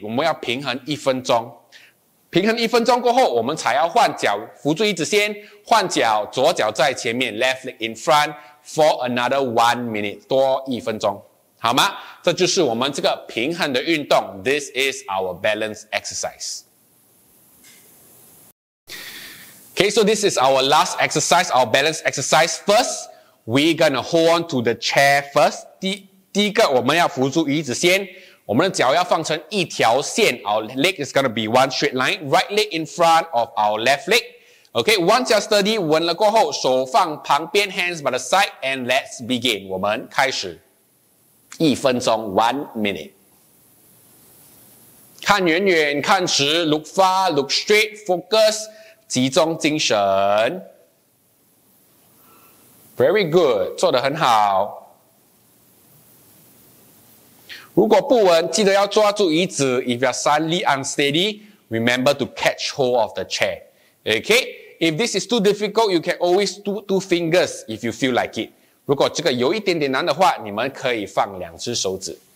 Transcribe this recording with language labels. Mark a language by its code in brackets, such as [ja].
[zh] 我们要平衡一分钟，平衡一分钟过后，我们才要换脚，扶住椅子先，换脚，左脚在前面 ， [en] left leg in front for another 1 minute, [zh] 多一分钟，好吗？这就是我们这个平衡的运动 ， [en] This is our balance exercise. Okay, so this is our last exercise, our balance exercise. First, we're gonna hold on to the chair first. [zh] 第一个，我们要扶住椅子先。我们的脚要放成一条线。 [en] Our leg is gonna be one straight line. Right leg in front of our left leg. Okay, once you're steady, [zh] 稳了过后，手放旁边 [en] ，hands by the side, and let's begin. [zh] 我们开始，一分钟 ， [en] 1 minute. [zh] 看远远，看直 [en] ，look far, look straight, focus. [zh] 集中精神 ， [en] very good， [zh] 做得很好。如果不稳，记得要抓住椅子。 [en] If you're suddenly unsteady, remember to catch hold of the chair. Okay, if this is too difficult, you can always do two fingers if you feel like it. [zh] 如果这个有一点点难的话，你们可以放两只手指。